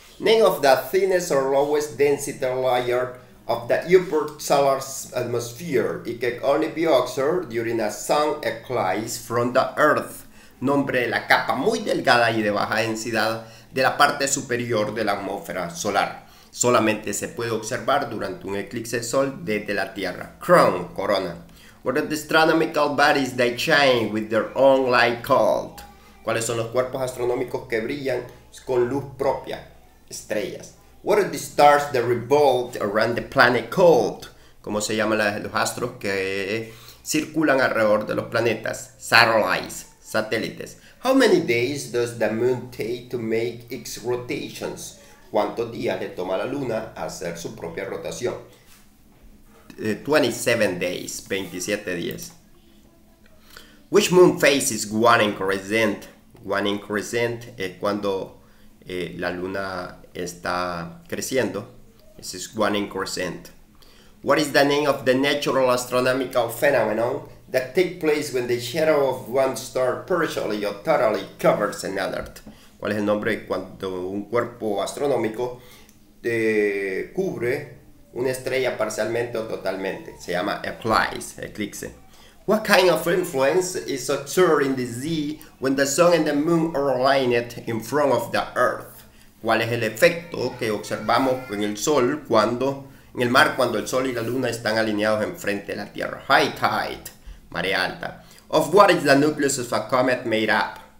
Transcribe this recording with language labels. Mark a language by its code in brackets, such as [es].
[en] Name of the thinnest or lowest density layer of the upper solar atmosphere. It can only be observed during a sun eclipse from the Earth. [es] Nombre de la capa muy delgada y de baja densidad de la parte superior de la atmósfera solar. Solamente se puede observar durante un eclipse de sol desde la Tierra. [en] Crown, corona. What are the astronomical bodies that shine with their own light called? [es] ¿Cuáles son los cuerpos astronómicos que brillan con luz propia? Estrellas. [en] What are the stars that revolve around the planet called? [es] ¿Cómo se llaman los astros que circulan alrededor de los planetas? [en] Satellites, satélites. How many days does the moon take to make its rotations? [es] ¿Cuántos días le toma a la luna hacer su propia rotación? [en] 27 days, [es] 27 días. [en] Which moon phase is one in crescent? One in crescent [es] es cuando la luna está creciendo. [en] This is one in crescent. What is the name of the natural astronomical phenomenon that takes place when the shadow of one star partially or totally covers another? [es] ¿Cuál es el nombre cuando un cuerpo astronómico te cubre una estrella parcialmente o totalmente? Se llama eclipse, eclipse. [en] What kind of influence is observed in the sea when the sun and the moon are aligned in front of the earth? [es] ¿Cuál es el efecto que observamos en el sol cuando, en el mar, cuando el sol y la luna están alineados enfrente de la Tierra? [en] High tide, [es] marea alta. [en] Of what is the nucleus of a comet made up?